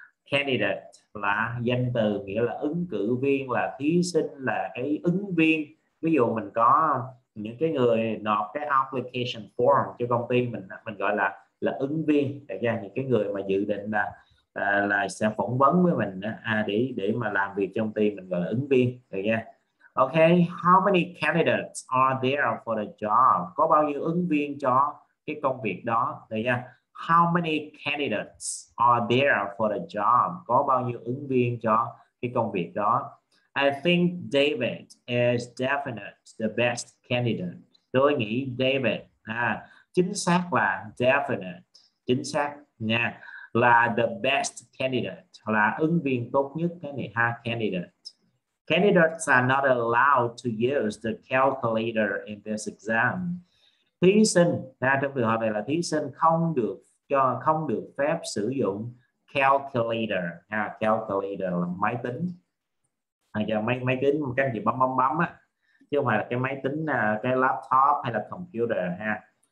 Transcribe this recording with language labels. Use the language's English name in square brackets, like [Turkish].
[Vietnamese] Candidate là danh từ, nghĩa là ứng cử viên, là thí sinh, là cái ứng viên. Ví dụ mình có những cái người nộp cái application form cho công ty mình gọi là ứng viên, để ra những cái người mà dự định là sẽ phỏng vấn với mình để mà làm việc trong công ty mình gọi là ứng viên, được nha. [English] Ok, how many candidates are there for the job? [Vietnamese] Có bao nhiêu ứng viên cho cái công việc đó, được nha. [English] How many candidates are there for the job? [Vietnamese] Có bao nhiêu ứng viên cho cái công việc đó? [English] I think David is definite the best candidate. [Vietnamese] Tôi nghĩ David, chính xác là definite, chính xác nha, là [English] the best candidate, [Vietnamese] là ứng viên tốt nhất cái này ha, candidate. [English] Candidates are not allowed to use the calculator in this exam. [Vietnamese] Thí sinh, trong trường hợp này là thí sinh không được phép sử dụng calculator. Calculator là máy tính. Giờ máy máy tính cái gì bấm bấm bấm á, chứ không phải là cái máy tính, cái laptop hay là computer ha.